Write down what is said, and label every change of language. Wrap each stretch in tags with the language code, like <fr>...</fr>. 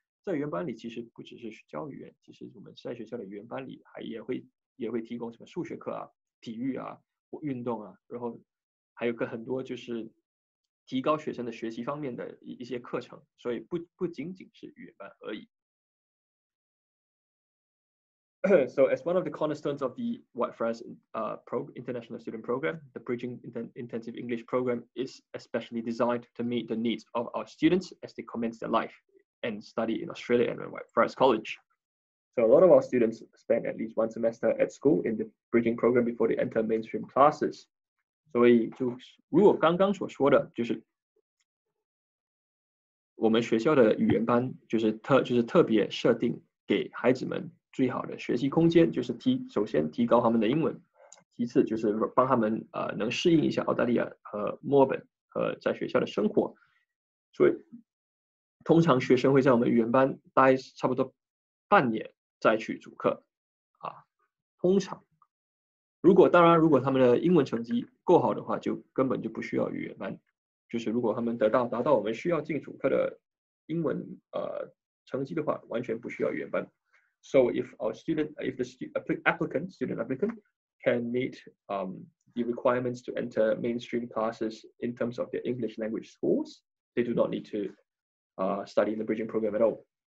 <zh>在语言班里，其实不只是教语言，其实我们在学校的语言班里还也会提供什么数学课啊、体育啊、运动啊，然后还有个很多就是提高学生的学习方面的一些课程，所以不仅仅是语言班而已。</zh> <en>So as one of the cornerstones of the Whitefriars International Student Program, the Bridging Intensive English Program is especially designed to meet the needs of our students as they commence their life and study in Australia and Whitefriars College. So a lot of our students spend at least one semester at school in the bridging program before they enter mainstream classes.</en> <zh>所以就如果刚刚所说的就是我们学校的语言班就是特别设定给孩子们最好的学习空间，就是首先提高他们的英文，其次就是帮他们能适应一下澳大利亚和墨尔本和在学校的生活。所以通常学生会在我们语言班待差不多半年再去主课啊，通常如果他们的英文成绩够好的话，就根本就不需要语言班。就是如果他们达到我们需要进主课的英文成绩的话，完全不需要语言班。</zh> <en>So if the student applicant can meet the requirements to enter mainstream classes in terms of their English language schools, they do not need to study in the bridging program at all.</en>